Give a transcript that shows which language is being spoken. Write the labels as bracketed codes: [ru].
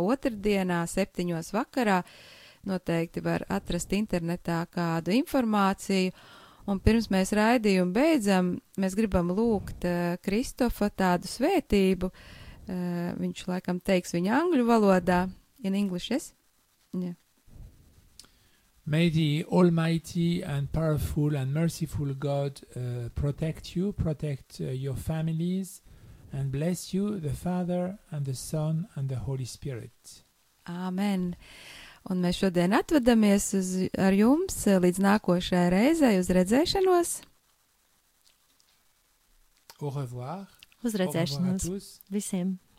[lv] Otrdienā, 7. Vakarā, noteikti var atrast internetā kādu informāciju, un pirms mēs raidījumu beidzam, mēs gribam lūgt Kristofa tādu svētību, viņš laikam teiks viņa angļu valodā, [en] in English, yes? Yeah. May the almighty and powerful and merciful God protect you, protect your families, and bless you, the Father, and the Son, and the Holy Spirit. Amen. [lv] Un mēs šodien atvadamies ar jums līdz nākošajai reizei uz redzēšanos. [fr] Au revoir. [lv] Uz redzēšanos. [fr] Au revoir [lv] visiem.